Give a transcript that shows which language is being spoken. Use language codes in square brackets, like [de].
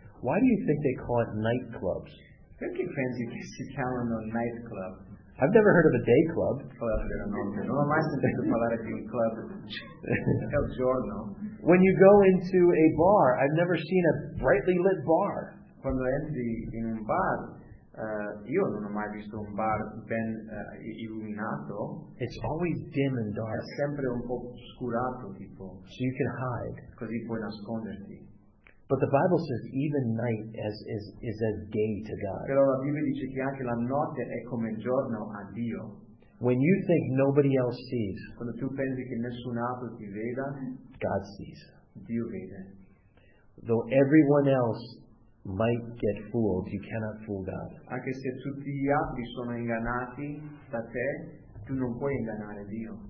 [en] Why do you think they call it nightclubs? [it] Perché pensi che si chiamano nightclub? [en] I've never heard of a day club. [it] Non ho mai sentito parlare di un club. È il giorno. [en] When you go into a bar, I've never seen a brightly lit bar. [it] Quando entri in un bar, io non ho mai visto un bar ben illuminato. [en] It's always dim and dark. [it] È sempre un po' oscurato, tipo. [en] So you can hide. [it] Così puoi nasconderti. [en] But the Bible says even night is as day to God. [it] Però la Bibbia dice che anche la notte è come giorno a Dio. [en] When you think nobody else sees, [it] quando tu pensi che nessun altro ti veda, [en] God sees. [it] Dio vede. [en] Though everyone else might get fooled, you cannot fool God. [it] Anche se tutti gli altri sono ingannati da te, tu non puoi ingannare Dio.